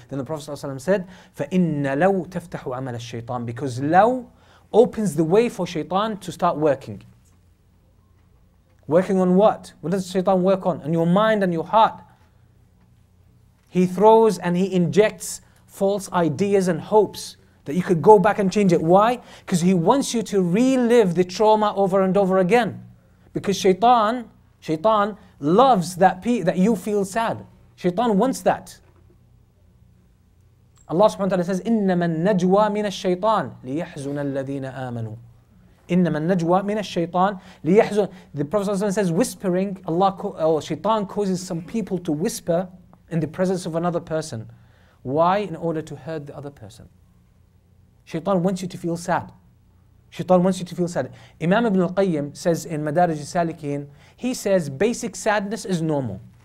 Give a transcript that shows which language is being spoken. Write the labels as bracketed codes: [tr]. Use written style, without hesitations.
[en] Then the Prophet ﷺ said, [ar] فَإِنَّ لَوْ تَفْتَحُ عَمَلَ الشَّيْطَانِ. [en] Because لَوْ opens the way for Shaitan to start working. Working on what? What does Shaitan work on? On your mind and your heart. He throws and he injects false ideas and hopes that you could go back and change it. Why? Because he wants you to relive the trauma over and over again. Because Shaitan loves that you feel sad. Shaitan wants that. Allah subhanahu wa ta'ala says, [ar] إِنَّمَا النَّجْوَى مِنَ الشَّيْطَانِ لِيَحْزُنَ الَّذِينَ آمَنُوا. إِنَّمَا النَّجْوَى مِنَ الشَّيْطَانِ لِيَحْزُنَ. [en] The Prophet ﷺ says, whispering, Shaitan causes some people to whisper in the presence of another person. Why? In order to hurt the other person. Shaitan wants you to feel sad. Shaitan wants you to feel sad. Imam Ibn al-Qayyim says in Madaraj al-Salikin, he says basic sadness is normal.